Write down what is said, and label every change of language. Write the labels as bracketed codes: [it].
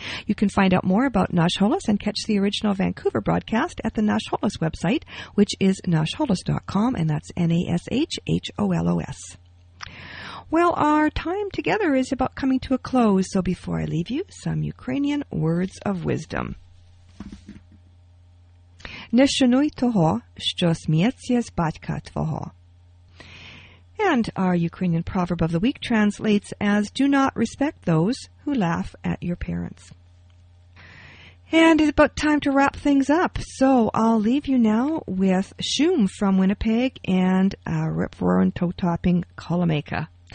[en] You can find out more about Nash Holos and catch the original Vancouver broadcast at the Nash Holos website, which is nashholos.com, and that's N-A-S-H-H-O-L-O-S. Well, our time together is about coming to a close, so before I leave you, some Ukrainian words of wisdom. [uk] Не шануй того, що сміється з батька твого. [en] And our Ukrainian proverb of the week translates as, do not respect those who laugh at your parents. And it's about time to wrap things up. So I'll leave you now with Shum from Winnipeg and a rip-roaring toe-topping Kalameka.